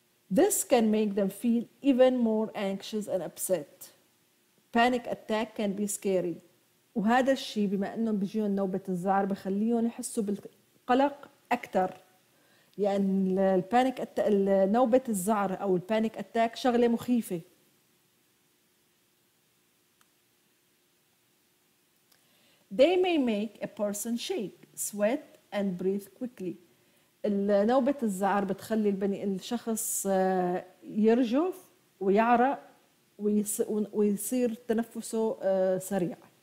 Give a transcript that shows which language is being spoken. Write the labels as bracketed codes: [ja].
[en] This can make them feel even more anxious and upset. Panic attack can be scary. [ar] وهذا الشيء بما انهم بيجيهم نوبة الزعر بخليهم يحسوا بالقلق اكثر. يعني البانيك نوبة الزعر او البانيك اتاك شغلة مخيفة. [en] They may make a person shake, sweat and breathe quickly. [ar] النوبة الزعر بتخلي البني الشخص يرجف ويعرق ويصير تنفسه سريع.